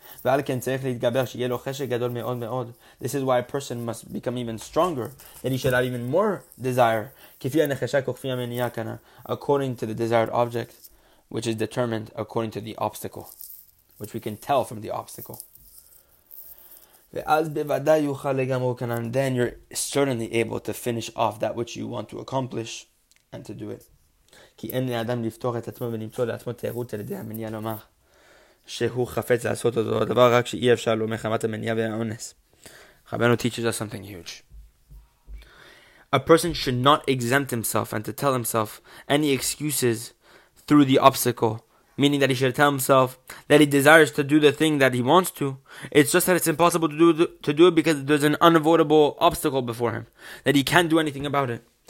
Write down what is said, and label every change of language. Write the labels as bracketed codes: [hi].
[en] This is why a person must become even stronger, that he should have even more desire, according to the desired object, which is determined according to the obstacle, which we can tell from the obstacle. And then you're certainly able to finish off that which you want to accomplish and to do it. [he] כי אין לאדם לפתוח את עצמו ולמצוא לעצמו תהירות על ידי המניע לומר שהוא חפץ לעשות אותו הדבר רק שאי אפשר לומר חמת המניע והאונס. [en] Rabeinu teaches us something huge. A person should not exempt himself and to tell himself any excuses through the obstacle, meaning that he should tell himself that he desires to do the thing that he wants to. It's just that it's impossible to do it because there's an unavoidable obstacle before him, that he can't do anything about it.